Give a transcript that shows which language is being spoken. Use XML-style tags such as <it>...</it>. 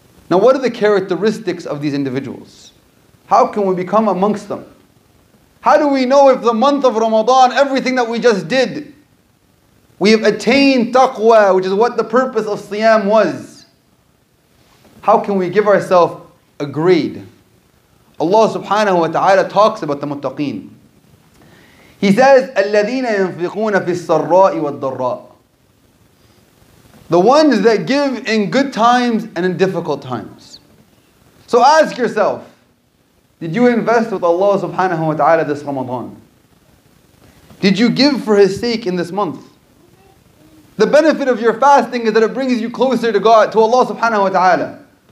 <en>Now what are the characteristics of these individuals? How can we become amongst them? How do we know if the month of Ramadan, everything that we just did, we have attained taqwa, which is what the purpose of siyam was? How can we give ourselves a grade? Allah subhanahu wa ta'ala talks about the muttaqeen. He says,</en> <ar>الَّذِينَ يَنْفِقُونَ فِي السَّرَّاءِ وَالضَّرَّاءِ.</ar> <en>The ones that give in good times and in difficult times. So ask yourself, did you invest with Allah subhanahu wa ta'ala this Ramadan? Did you give for His sake in this month? The benefit of your fasting is that it brings you closer to God, to Allah subhanahu wa ta'ala.</en>